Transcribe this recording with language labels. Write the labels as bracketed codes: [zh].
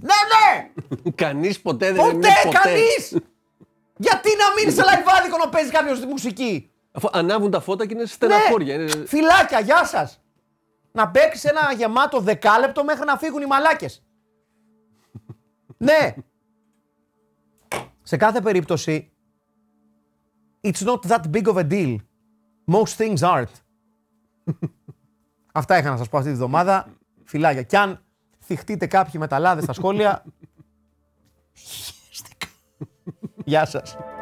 [el] Ναι, ναι! Κανείς ποτέ δεν είναι ποτέ. Ποτέ, κανείς! Γιατί να μείνεις σε live άδικο να παίζει κάποιος τη μουσική? Ανάβουν τα φώτα και είναι στεναχώρια. Ναι. Φιλάκια, γεια σας! Να παίξει ένα γεμάτο δεκάλεπτο μέχρι να φύγουν οι μαλάκες. Ναι. Σε κάθε περίπτωση, [en] it's not that big of a deal. Most things aren't. [el] Αυτά είχα να σας πω αυτή τη βδομάδα. Φιλάκια. Κι αν θυχτείτε κάποιοι μεταλλάδες στα σχόλια, γεια σας.